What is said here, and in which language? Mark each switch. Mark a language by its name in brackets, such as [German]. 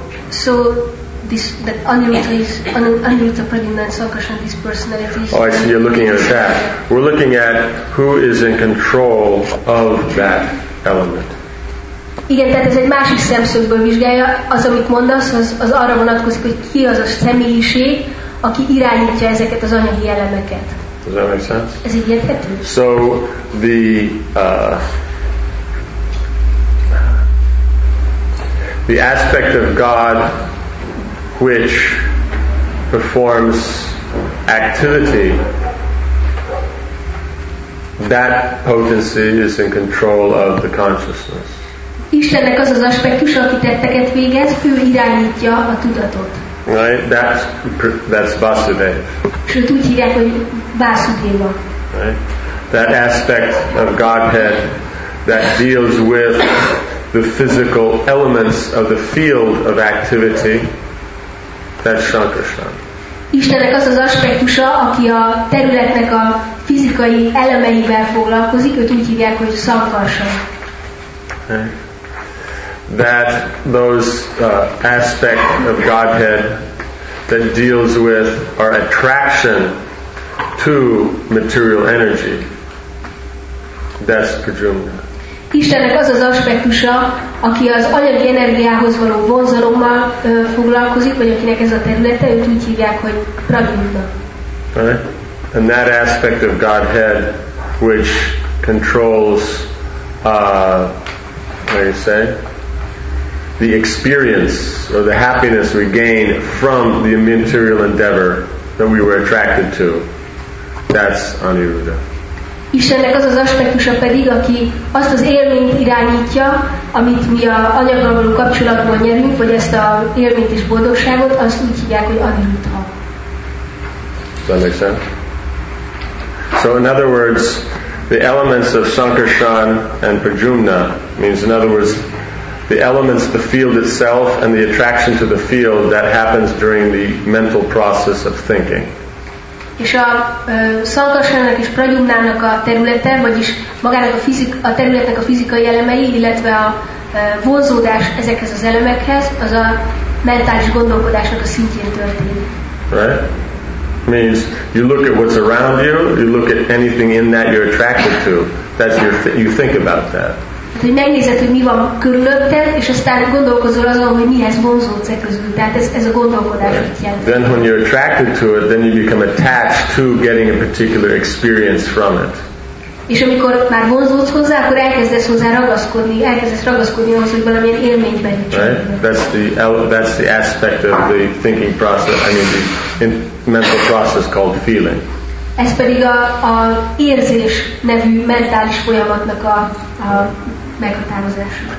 [English] So this that Aniruddha Pradyumna and Sankarsana, these personalities. Oh, I see you're looking at that. We're looking at who is in control of that element. [Hungarian] Igen, tehát ez egy másik szemszögből vizsgálja, az amit mondasz, az arra vonatkozik, hogy ki az a személyiség, aki irányítja ezeket az anyagi elemeket. [English] Does that make sense? [Hungarian] Ez így érthető? [English] So the the aspect of God which performs activity, that potency is in control of the consciousness. [Hungarian] Istennek az az aspektus, aki tetteket végez, ő irányítja a tudatot. [English] Right? That's Vasudeva. [Hungarian] Sőt, úgy hívják, hogy Vasudeva. [English] Right? That aspect of Godhead that deals with the physical elements of the field of activity, that's Sankarsana. [Hungarian] Istennek az az aspektusa, aki a területnek a fizikai elemeivel foglalkozik, őt úgy hívják, hogy Sankarsana. [English] That those aspect of Godhead that deals with our attraction to material energy, That's Prajumna. [Hungarian] Istennek az az aspektusa, aki az anyagi energiához való vonzalommal foglalkozik, vagy akinek ez a területe, őt úgy hívják, hogy Prajumna. [English] Right? And that aspect of Godhead, which controls, what do you say? The experience or the happiness we gain from the material endeavor that we were attracted to. That's Aniruddha. [Hungarian] Istennek az az aspektusa pedig, aki azt az élményt irányítja, amit mi a anyaggal való kapcsolatban nyerünk, vagy ezt az élményt és boldogságot, azt úgy hívják, hogy Aniruddha. [English] Does that make sense? So in other words, the elements of Sankarshan and Prajumna means, in other words, the elements, the field itself, and the attraction to the field that happens during the mental process of thinking. [Hungarian] És a Sankarshanának és Prajumnának a területe, vagyis magának a területnek a fizikai elemei, illetve a vonzódás ezekhez az elemekhez, az a mentális gondolkodásnak a szintjén történik. [English] Right? Means you look at what's around you, you look at anything in that you're attracted to. That's your you think about that. [Hungarian] Hát, hogy megnézed, hogy mi van körülötted, és aztán gondolkozol azon, hogy mihez vonzódsz e közül. Tehát ez a gondolkodás itt jelent. [English] Then when you're attracted to it, then you become attached to getting a particular experience from it. [Hungarian] És amikor már vonzódsz hozzá, akkor elkezdesz hozzá ragaszkodni, elkezdesz ragaszkodni ahhoz, hogy valamilyen élményt bejutsz. [English] Right? That's the aspect of the thinking process, I mean the mental process called feeling. [Hungarian] Ez pedig a érzés nevű mentális folyamatnak a meghatározása.